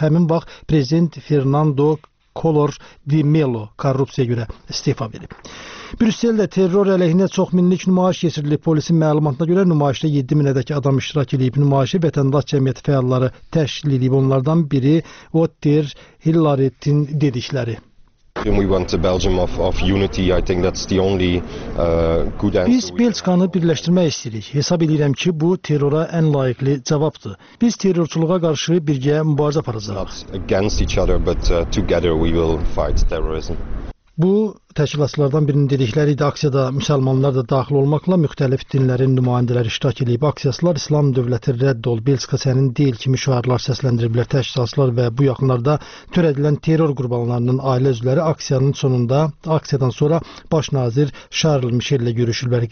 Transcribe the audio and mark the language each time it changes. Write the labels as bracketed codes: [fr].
[az] Həmin vaxt prezident Fernando Collor de Mello korrupsiyaya görə istifa verib. Brüsseldə terror əleyhinə çox minlik nümayiş keçirilib. Polisin məlumatına görə nümayişdə 7 minədək adam iştirak edib. Nümayişi vətəndaş cəmiyyəti fəalları təşkil edib. Onlardan biri Otter Hillaret'in dedikləri. [en] We want the Belgium of unity. I think that's the only good answer. [az] Biz Belçikanı birləşdirmək istəyirik. Hesab edirəm ki, bu terrora ən layiqli cavabdır. Biz terrorçuluğa qarşı birgə mübarizə aparacağıq. [en] Against each other, but together we will fight terrorism. [az] Bu təşkilatçılardan birinin dedikləri idi. Aksiyada müsəlmanlar da daxil olmaqla müxtəlif dinlərin nümayəndələri iştirak edib. Aksiyaçılar İslam dövləti rədd ol, Belçika sənin deyil kimi şüarlar səsləndiriblər. Təşkilatçılar və bu yaxınlarda törədilən terror qurbanlarının ailə üzvləri aksiyanın sonunda, aksiyadan sonra başnazir Charles Michel ilə görüşürlər.